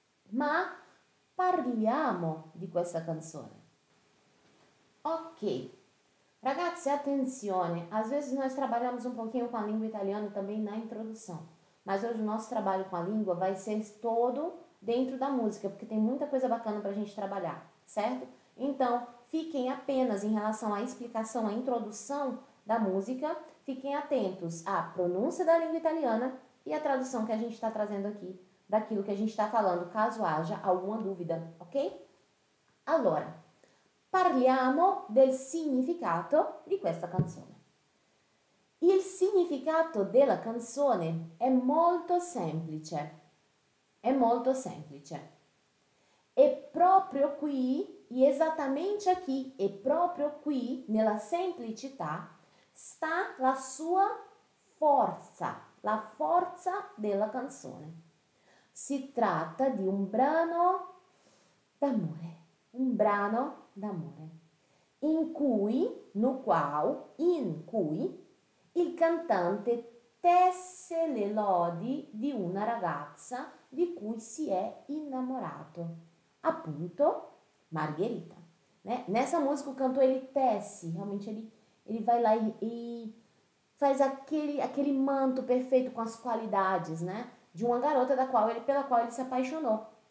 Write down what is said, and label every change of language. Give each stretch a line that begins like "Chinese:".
Italian: Ma parliamo di questa canzone. Ok, ragazzi, attenzione,
Portuguese: às vezes nós trabalhamos
Italian: un pochino con la lingua italiana
Portuguese: também na introdução. Mas hoje o nosso trabalho com a língua vai ser todo dentro da música, porque tem muita coisa bacana pra gente trabalhar, certo? Então, fiquem apenas em relação à explicação, à introdução da música, fiquem atentos à pronúncia da língua italiana e à tradução que a gente está trazendo aqui, daquilo que a gente está falando, caso haja alguma dúvida, ok?
Italian: Allora, parliamo del significato di questa canzone. Il significato della canzone è molto semplice, è molto semplice. E proprio qui, e esattamente qui, e proprio qui, nella semplicità, sta la sua forza, la forza della canzone. Si tratta di un brano d'amore, un brano d'amore, in cui,
Portuguese: no qual,
Italian: in cui, il cantante tesse le lodi di una ragazza di cui si è innamorato, appunto Margherita.
Portuguese: Né? Nessa música o cantor ele tece, realmente ele vai lá e faz aquele manto perfeito com as qualidades, né? De uma garota pela qual ele se apaixonou.